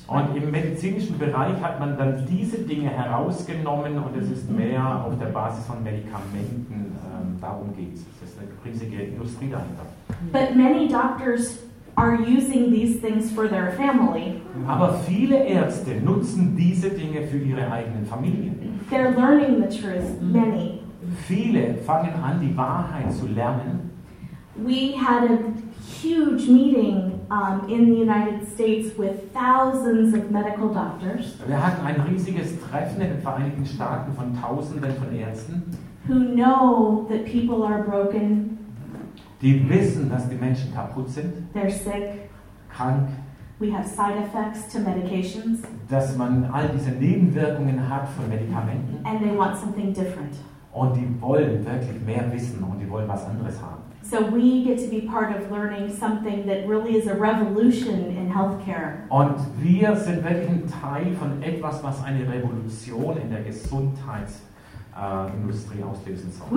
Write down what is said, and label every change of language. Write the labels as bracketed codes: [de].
[de] Und im medizinischen Bereich hat man dann diese Dinge herausgenommen und es ist mehr auf der Basis von Medikamenten, darum geht's. Es ist eine riesige Industrie dahinter. [en] But many doctors are using these things for their family. [de] Aber viele Ärzte nutzen diese Dinge für ihre eigenen Familien. [en] They're learning the truth, many. [de] Viele fangen an, die Wahrheit zu lernen. [en] We had a huge meeting in the United States with thousands of medical doctors. [de] Wir hatten ein riesiges Treffen in den Vereinigten Staaten von Tausenden von Ärzten. [en] Who know that people are broken? [de] Die wissen, dass die Menschen kaputt sind. [en] They're sick. [de] Krank. [en] We have side effects to medications. [de] Dass man all diese Nebenwirkungen hat von Medikamenten. [en] And they want something different. [de] Und die wollen wirklich mehr wissen und die wollen was anderes haben. [en] So we get to be part of learning something that really is a revolution in healthcare. [de] Und wir sind wirklich ein Teil von etwas, was eine Revolution in der Gesundheitsindustrie auslösen soll.